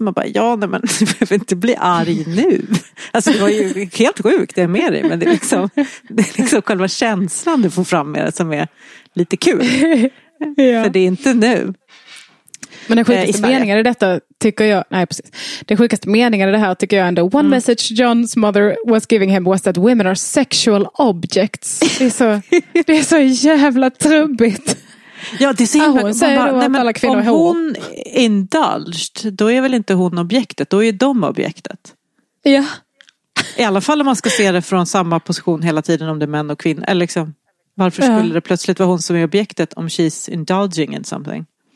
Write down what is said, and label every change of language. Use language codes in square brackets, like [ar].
[sv] Man bara, ja, nej, men du behöver inte bli arg nu. Alltså, det var ju helt sjukt, det är med dig. Men det är liksom själva känslan du får fram med det som är lite kul. Ja. För det är inte nu. Men den sjukaste meningen i detta tycker jag... Nej, precis. Den sjukaste meningen i det här tycker jag ändå... [en] One message John's mother was giving him was that women are sexual objects. [sv] Det är så jävla trubbigt. Ja, det ser hon bara, säger bara, nej, alla kvinnor om är hon indulged, då är väl inte hon objektet, då är de objektet. Ja. I alla fall om man ska se det från samma position hela tiden, om det är män och kvinnor. Eller liksom, varför skulle det plötsligt vara hon som är objektet om [en] she's indulging in something?